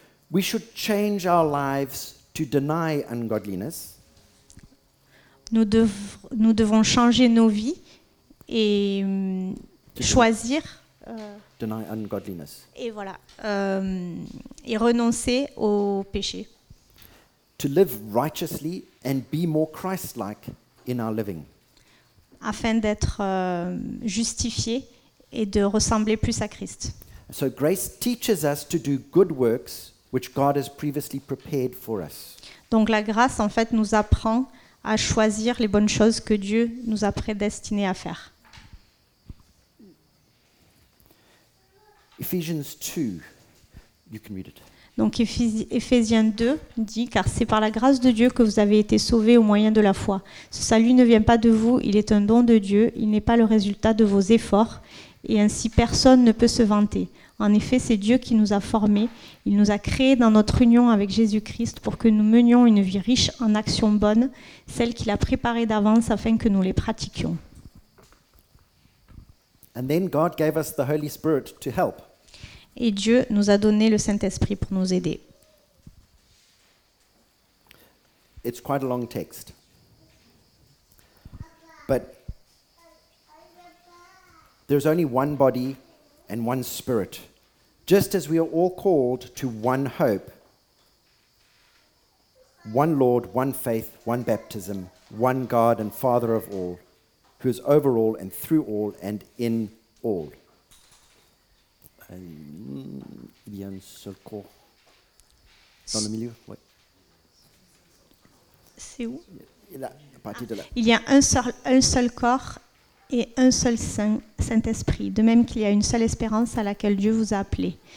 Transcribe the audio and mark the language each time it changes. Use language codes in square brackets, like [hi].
[en] we should change our lives to deny ungodliness. [fr] Nous devons changer nos vies et choisir [en] deny ungodliness. [fr] Et voilà, et renoncer au péché. [en] To live righteously and be more Christ-like in our living. [fr] Afin d'être justifié et de ressembler plus à Christ. [en] So grace teaches us to do good works which God has previously prepared for us. [fr] Donc la grâce en fait nous apprend à choisir les bonnes choses que Dieu nous a prédestinées à faire. [en] Ephesians 2, you can read it. [fr] Donc Éphésiens 2 dit, car c'est par la grâce de Dieu que vous avez été sauvés au moyen de la foi. Ce salut ne vient pas de vous, il est un don de Dieu, il n'est pas le résultat de vos efforts, et ainsi personne ne peut se vanter. En effet, c'est Dieu qui nous a formés, il nous a créés dans notre union avec Jésus-Christ pour que nous menions une vie riche en actions bonnes, celles qu'il a préparées d'avance afin que nous les pratiquions. [en] And then God gave us the Holy Spirit to help. [fr] Et Dieu nous a donné le Saint-Esprit pour nous aider. [en] It's quite a long text. But there's only one body and one spirit, just as we are all called to one hope, one Lord, one faith, one baptism, one God and Father of all, who is over all and through all and in all. [fr] Il y a un seul corps dans le milieu, oui. C'est où? Là, à partir de là. Il y a un seul corps et un seul Saint-Esprit, de même qu'il y a une seule espérance à laquelle Dieu vous a appelé.